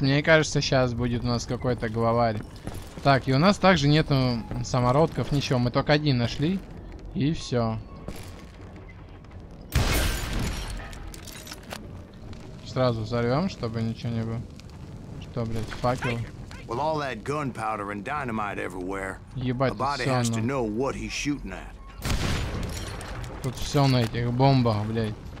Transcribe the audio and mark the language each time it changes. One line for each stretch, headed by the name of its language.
Russian: Мне кажется, сейчас будет у нас какой-то главарь. Так, и у нас также нету самородков, ничего. Мы только один нашли. И все. Сразу взорвем, чтобы ничего не было. Что, блядь, факел?
English: With all that gunpowder and dynamite everywhere,
Russian: ебать,
English: a body has to know what he's shooting at.
Russian: Тут все на этих бомбах, блядь.